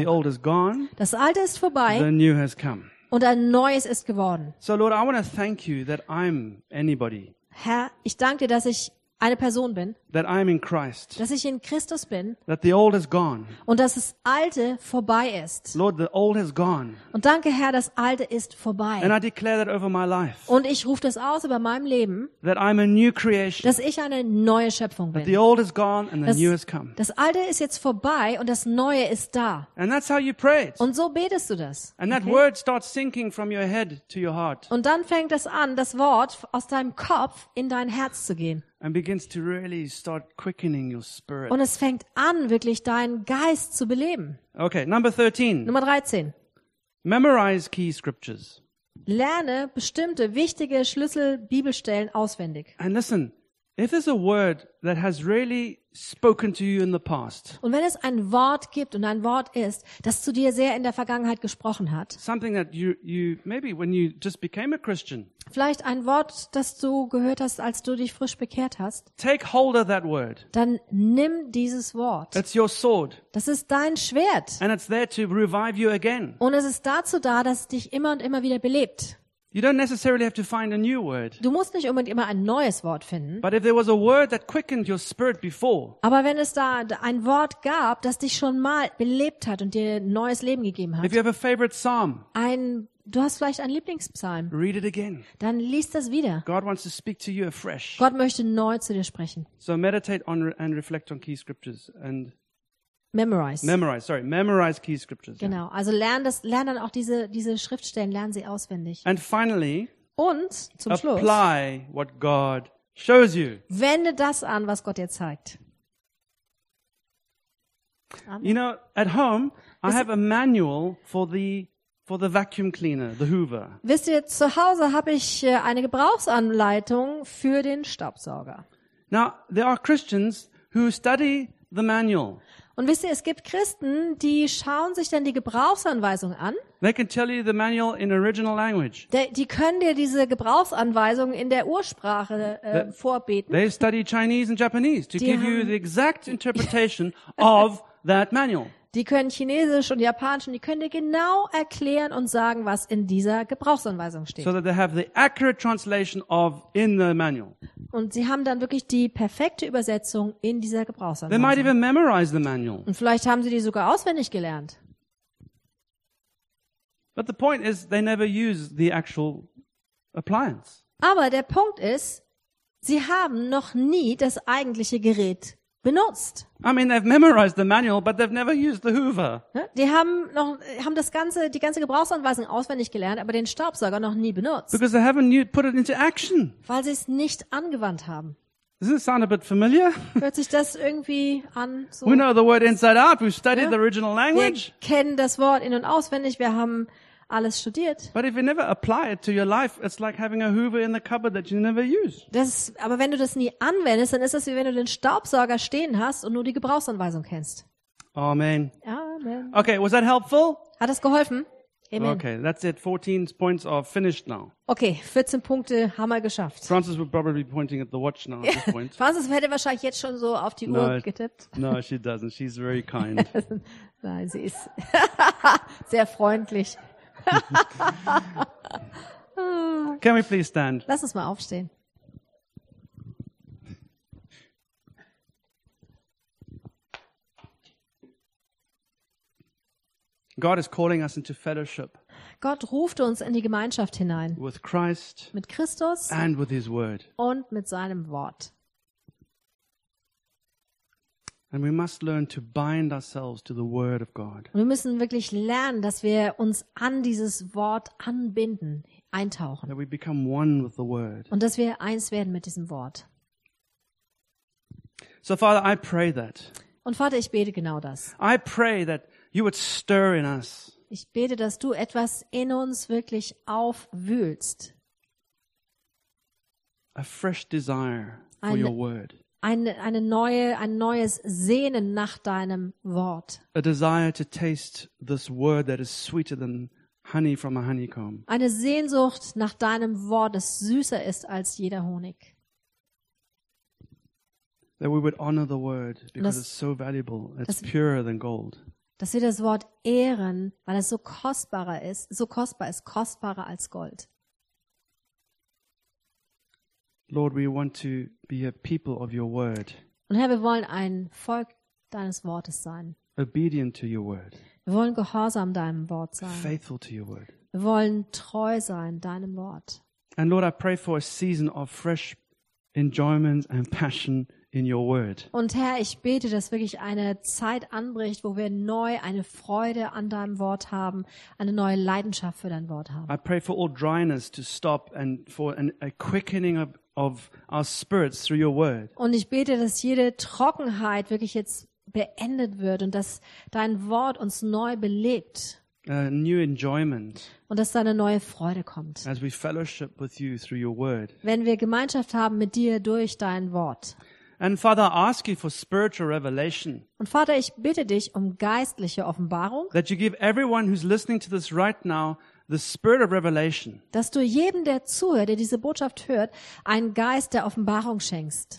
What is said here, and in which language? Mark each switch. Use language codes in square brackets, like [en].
[en] The old is gone. [de] Das Alte ist vorbei. [en] The new has come. [de] Und ein Neues ist geworden. [en] So Lord, I want to thank you that I'm anybody. [de] Herr, ich danke dir, dass ich eine Person bin, [en] that I am in Christ, [de] dass ich in Christus bin, [en] that the old is gone, [de] und dass das Alte vorbei ist. [en] Lord, the old has gone, [de] und danke, Herr, das Alte ist vorbei. [en] And I declare that over my life, [de] und ich rufe das aus über meinem Leben, [en] that I'm a new creation, [de] dass ich eine neue Schöpfung bin. [en] That the old is gone and the new has come. [de] Das Alte ist jetzt vorbei und das Neue ist da. [en] And that's how you pray it. [de] Und so betest du das. [en] And that word starts sinking from your head to your heart. [de] Und dann fängt es an, das Wort aus deinem Kopf in dein Herz zu gehen. [en] And begins to really start quickening your spirit. [de] Und es fängt an, wirklich deinen Geist zu beleben. [en] Okay, number 13. [de] Nummer 13. [en] Memorize key scriptures. [de] Lerne bestimmte wichtige Schlüsselbibelstellen auswendig. [en] And listen, if there's a word that has really spoken to you in the past. [de] Und wenn es ein Wort gibt und ein Wort ist, das zu dir sehr in der Vergangenheit gesprochen hat. [en] Something that you maybe when you just became a Christian. [de] Vielleicht ein Wort, das du gehört hast, als du dich frisch bekehrt hast. [en] Take hold of that word. [de] Dann nimm dieses Wort. [en] It's your sword. [de] Das ist dein Schwert. [en] And it's there to revive you again. [de] Und es ist dazu da, dass es dich immer und immer wieder belebt. [en] You don't necessarily have to find a new word. [de] Du musst nicht unbedingt immer ein neues Wort finden. [en] But if there was a word that quickened your spirit before. [de] Aber wenn es da ein Wort gab, das dich schon mal belebt hat und dir neues Leben gegeben hat. [en] If you have a favorite psalm. [de] Du hast vielleicht einen Lieblingspsalm. [en] Read it again. [de] Dann liest das wieder. [en] God wants to speak to you afresh. [de] Gott möchte neu zu dir sprechen. [en] So meditate on and reflect on key scriptures and Memorize key scriptures. [de] Genau, also lern dann auch diese Schriftstellen, lern sie auswendig. [en] And finally, [de] und zum [en] apply [de] Schluss, [en] apply what God shows you. [de] Wende das an, was Gott dir zeigt. [en] Amen. You know, at home, I have a manual for the vacuum cleaner, the Hoover. [de] Wisst ihr, zu Hause habe ich eine Gebrauchsanleitung für den Staubsauger. [en] Now, there are Christians who study the manual. [de] Und wisst ihr, es gibt Christen, die schauen sich dann die Gebrauchsanweisung an. [en] They can tell you the manual in original language. [de] Die können dir diese Gebrauchsanweisung in der Ursprache vorbeten. [en] They study Chinese and Japanese to give you the exact interpretation of that manual. [de] Die können Chinesisch und Japanisch und die können dir genau erklären und sagen, was in dieser Gebrauchsanweisung steht. [en] So that they have the accurate translation of in the manual. [de] Und sie haben dann wirklich die perfekte Übersetzung in dieser Gebrauchsanweisung. [en] They might even memorize the manual. [de] Und vielleicht haben sie die sogar auswendig gelernt. [en] But the point is, they never use the actual appliance. [de] Aber der Punkt ist, sie haben noch nie das eigentliche Gerät benutzt. [en] I mean, they've memorized the manual, but they've never used the Hoover. [de] Die haben die ganze Gebrauchsanweisung auswendig gelernt, aber den Staubsauger noch nie benutzt. [en] Because they haven't put it into action. [de] Weil sie es nicht angewandt haben. [en] Doesn't it sound a bit familiar? [de] Hört sich das irgendwie an? [en] So. We know the word inside out. We've studied the original language. [de] Wir kennen das Wort in- und auswendig. Wir haben alles studiert. [en] But if you never apply it to your life, it's like having a Hoover in the cupboard that you never use. [de] Aber wenn du das nie anwendest, dann ist es wie wenn du den Staubsauger stehen hast und nur die Gebrauchsanweisung kennst. [en] Amen. [de] Amen. [en] Okay, was that helpful? [de] Hat das geholfen? Amen. [en] Okay, that's it. 14 points are finished now. [de] Okay, 14 Punkte haben wir geschafft. [en] Francis would probably be pointing at the watch now at this point. [de] Francis hätte wahrscheinlich jetzt schon so auf die Uhr getippt. [en] No, she doesn't. She's very kind. [de] Nein, sie ist sehr freundlich. [en] Can we please stand? [de] Lass uns mal aufstehen. [en] God is calling us into fellowship. [de] Gott ruft uns in die Gemeinschaft hinein. [en] With Christ. [de] Mit Christus. [en] And with his word. [de] Und mit seinem Wort. [en] And we must learn to bind ourselves to the word of God. [de] Wir müssen wirklich lernen, dass wir uns an dieses Wort anbinden, eintauchen. [en] That we become one with the word. [de] Und dass wir eins werden mit diesem Wort. [en] So Father, I pray that. [de] Und Vater, ich bete genau das. [en] I pray that you would stir in us. [de] Ich bete, dass du etwas in uns wirklich aufwühlst. [en] A fresh desire for your word. [de] Ein neues Sehnen nach deinem Wort. [en] A desire to taste this word that is sweeter than honey from a honeycomb. [de] Eine Sehnsucht nach deinem Wort, das süßer ist als jeder Honig. [en] That we would honor the word because it's so valuable. It's purer than gold. [de] Dass wir das Wort ehren, weil es so kostbar ist, kostbarer als Gold. [en] Lord, we want to be a people of your word. [de] Und Herr, wir wollen ein Volk deines Wortes sein. [en] Obedient to your word. [de] Wir wollen gehorsam deinem Wort sein. [en] Faithful to your word. [de] Wir wollen treu sein deinem Wort. [en] And Lord, I pray for a season of fresh enjoyment and passion in your word. [de] Und Herr, ich bete, dass wirklich eine Zeit anbricht, wo wir neu eine Freude an deinem Wort haben, eine neue Leidenschaft für dein Wort haben. [en] I pray for all dryness to stop and for a quickening of our spirits through your word. [de] Und ich bete, dass jede Trockenheit wirklich jetzt beendet wird und dass dein Wort uns neu belebt. [en] A new enjoyment. [de] Und dass deine neue Freude kommt. [en] As we fellowship with you through your word. [de] Wenn wir Gemeinschaft haben mit dir durch dein Wort. [en] And Father, I ask you for spiritual revelation. [de] Und Vater, ich bitte dich um geistliche Offenbarung. [en] That you give everyone who's listening to this right now the spirit of revelation. [de] Dass du jedem, der zuhört, der diese Botschaft hört, einen Geist der Offenbarung schenkst.